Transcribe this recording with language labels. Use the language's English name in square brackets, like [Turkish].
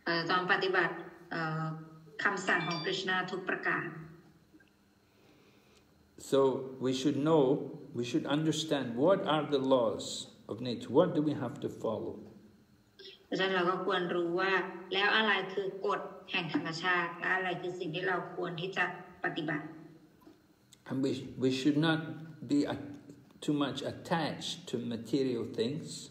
[Thai] ต้องปฏิบัติคำสั่งของ Krishna ทุกประการ [English] So we should know we should understand what are the laws of nature what do we have to follow [Thai] ฉะนั้นเราก็ควรรู้ว่าแล้วอะไรคือกฎแห่งธรรมชาติและอะไรคือสิ่งที่เราควรที่จะปฏิบัติ [English] And we should not be aToo much attached to material things.